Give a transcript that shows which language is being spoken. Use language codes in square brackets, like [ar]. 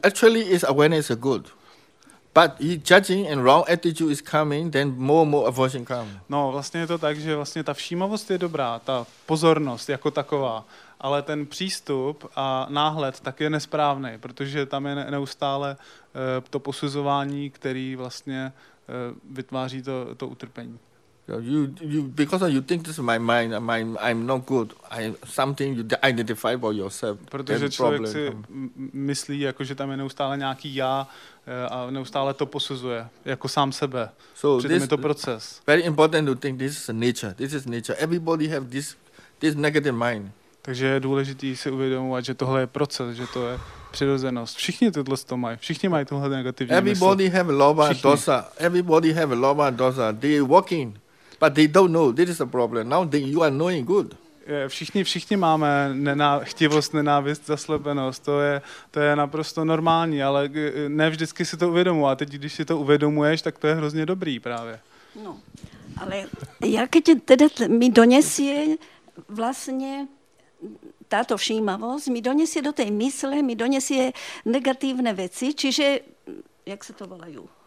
[en] Actually, is awareness is good, but judging and wrong attitude is coming, then more and more aversion comes. [cs] No, vlastně je to tak, že vlastně ta všímavost je dobrá, ta pozornost jako taková, ale ten přístup a náhled tak je nesprávný, protože tam je neustále to posuzování, který vlastně vytváří to utrpení. [en] You because you think this is my mind, I'm not good. I something you identify for yourself. [cs] Protože člověk si myslí, jako že tam je neustále nějaký já a neustále to posuzuje jako sám sebe. [en] So this [cs] je to proces. [en] Very important to think this is nature. This is nature. Everybody have this negative mind. [cs] Takže je důležitý si uvědomovat, že tohle je proces, že to je přirozenost. Všichni tohle to mají. Všichni mají tohle negativní mysl. [en] Everybody have lobha dosa. Everybody have lobha dosa. They walking, but they don't know. This is a problem. Now you are knowing good. [cs] Všichni máme chtivost, nenávist, zaslepenost. To je naprosto normální, ale ne vždycky si to uvědomuji. A teď, když si to uvědomuješ, tak to je hrozně dobrý právě. [sk] No, ale jak tě teda mi donesie vlastně táto všímavosť mi donesie do tej mysle, mi donesie negatívne veci, čiže, jak sa to volajú?